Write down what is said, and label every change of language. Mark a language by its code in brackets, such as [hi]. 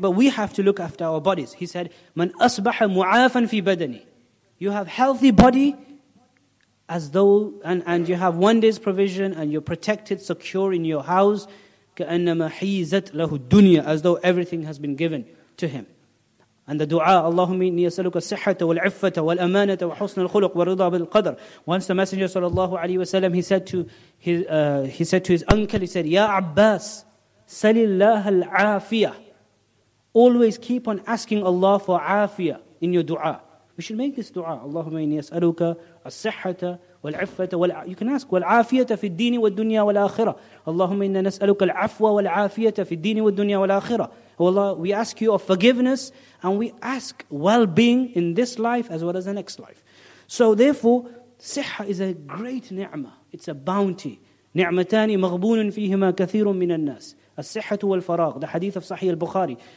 [en] But we have to look after our bodies. He said, "Man asbaha mu'afan fi badani." You have healthy body as though, and you have one day's provision and you're protected, secure in your house. [ar] كَأَنَّمَا حِيزَتْ لَهُ الدُّنْيَا. [en] As though everything has been given to him. And the dua, [ar] اللهم إني أسألك الصحة والعفة والأمانة وحسن الخلق ورضا بالقدر. [en] Once the Messenger [ar] صلى الله عليه وسلم, [en] he said to his uncle, he said, [ar] يا عباس, سل الله العافية. [en] Always keep on asking Allah for عافية in your dua. We should make this dua. [ar] اللهم إني أسألك الصحة والعفة وال, [en] you can ask, [ar] والعافية في الدين والدنيا والآخرة. اللهم إنا نسألك العفو والعافية في الدين والدنيا والآخرة. [en] Oh Allah, we ask you of forgiveness and we ask well-being in this life as well as the next life. So therefore, siha is a great ni'mah. It's a bounty. Ni'matani maghbunun fihima kathirun minan nas. As-sihhatu wal-faraq. The hadith of Sahih al-Bukhari.